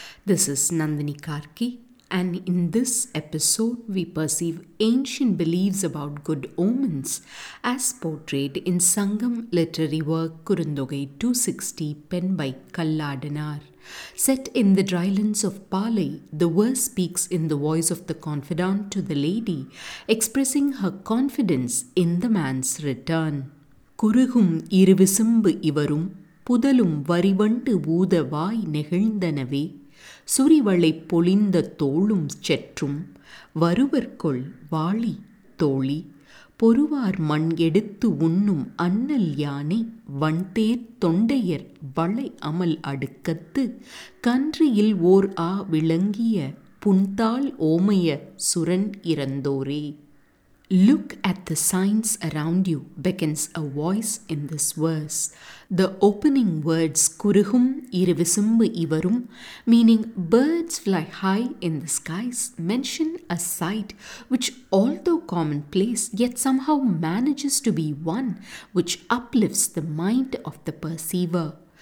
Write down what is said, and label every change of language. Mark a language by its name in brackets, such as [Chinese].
[English] This is Nandini Karki, and in this episode we perceive ancient beliefs about good omens as portrayed in Sangam literary work Kurundogai 260 penned by Kalladanar. Set in the drylands of Pali, the verse speaks in the voice of the confidant to the lady, expressing her confidence in the man's return. [Tamil] குருகும் இருவிசும்பு இவரும் புதலும் வரிவண்டு ஊத வாய் நெகிழ்ந்தனவே சுரிவளை பொழிந்த தோளும் செற்றும் வருவர்கொள் வாளி தோழி பொறுவார் மண் எடுத்து உண்ணும் அன்னல் யானை வண்தேர் தொண்டையர் வளை அமல் அடுக்கத்து கன்றியில் ஓர் ஆ விளங்கிய புன்தாள் ஓமைய சுரன் இறந்தோரே. [English] Look at the signs around you, beckons a voice in this verse. The opening words [Tamil] kuruhum iruvisumbu ivarum, [English] meaning birds fly high in the skies, mention a sight which, although commonplace, yet somehow manages to be one which uplifts the mind of the perceiver.